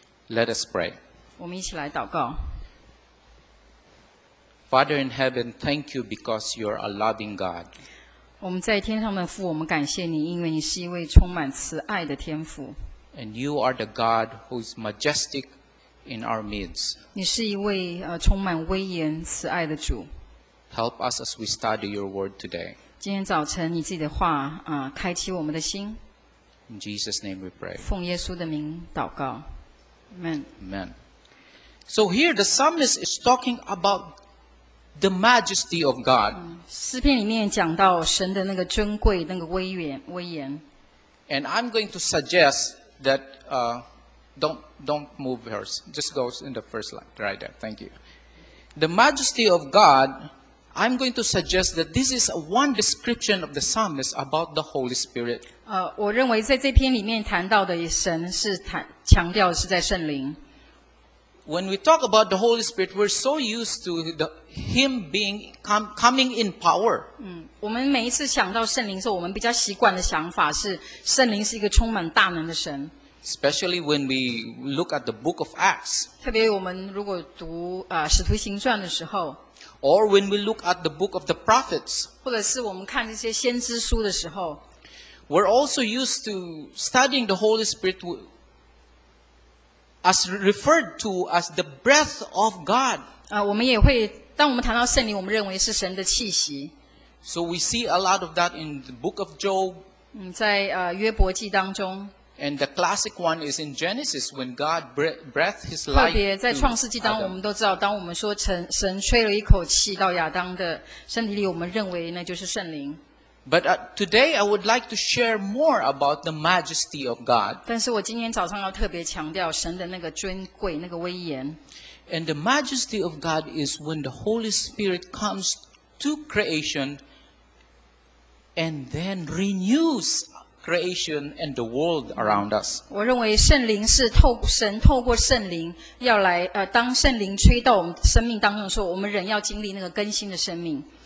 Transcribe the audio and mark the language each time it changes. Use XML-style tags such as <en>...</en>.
<en>Let us pray.</en> <zh>我们一起来祷告。</zh> <en>Father in heaven, thank you because you are a loving God.</en> <zh>我们在天上的父，我们感谢你，因为你是一位充满慈爱的天父。</zh> <en>And you are the God who is majestic in our midst.</en> <zh>你是一位充满威严慈爱的主。</zh> <en>Help us as we study your word today.</en> <zh>今天早晨你自己的话开启我们的心。</zh> <en>In Jesus' name we pray.</en> <zh>奉耶稣的名祷告。Amen.</zh> <en>Amen. So here the psalmist is talking about the majesty of God.</en> <zh>诗篇里面讲到神的那个尊贵，那个威严。</zh> <en>And I'm going to suggest that don't move hers. Just goes in the first line right there. Thank you. The majesty of God. I'm going to suggest that this is one description of the psalmist about the Holy Spirit.</en> <zh>我认为在这篇里面谈到的神是强调的是在圣灵。</zh> <en>When we talk about the Holy Spirit, we're so used to Him being coming in power.</en> <zh>我们每一次想到圣灵的时候，我们比较习惯的想法是圣灵是一个充满大能的神。</zh> <en>Especially when we look at the Book of Acts.</en> <zh>特别我们如果读使徒行传的时候。</zh> <en>Or when we look at the Book of the Prophets.</en> <zh>或者是我们看这些先知书的时候。</zh> <en>We're also used to studying the Holy Spirit as referred to as the breath of God.</en> <zh>我们也会，当我们谈到圣灵，我们认为是神的气息。</zh> <en>So we see a lot of that in the Book of Job.</en> <zh>在约伯记当中。</zh> <en>And the classic one is in Genesis when God breathed His life.</en> <zh>特别在创世纪当，我们都知道，当我们说神吹了一口气到亚当的身体里，我们认为那就是圣灵。</zh> <en>But today I would like to share more about the majesty of God.</en> <zh>但是我今天早上要特别强调神的那个尊贵，那个威严。</zh> <en>And the majesty of God is when the Holy Spirit comes to creation and then renews creation and the world around us.</en> <zh>我认为圣灵是神透过圣灵要来当圣灵吹到我们生命当中的时候，我们人要经历那个更新的生命。</zh>